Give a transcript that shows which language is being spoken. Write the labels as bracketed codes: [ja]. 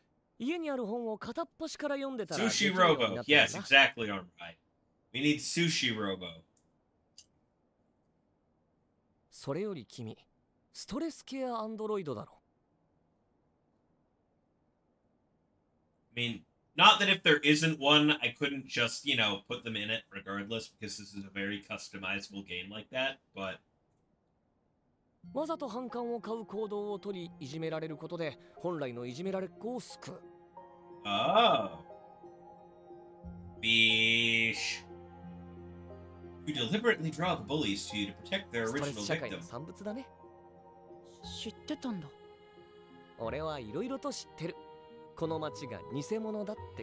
[ja] 僕が自己修復するより32分12秒も早い。君すごいね。俺の父親はロボット工学のエンジニアでさ、家にある本を片っ端から読んでたら。 [en] Sushi Robo. Yes, exactly, Armby. We need Sushi Robo. [ja] それより君、ストレスケアアンドロイドだろ。 [en] I mean, not that if there isn't one, I couldn't just, you know, put them in it regardless, because this is a very customizable game like that, but... [ja] わざと反感を買う行動を取り、いじめられることで、本来のいじめられっ子を救う。 [en] Oh. Beesh. You deliberately draw the bullies to you to protect their original victim. [ja] ストレス社会の産物だね。知ってたんだ。俺はいろいろと知ってる。この街が偽物だって。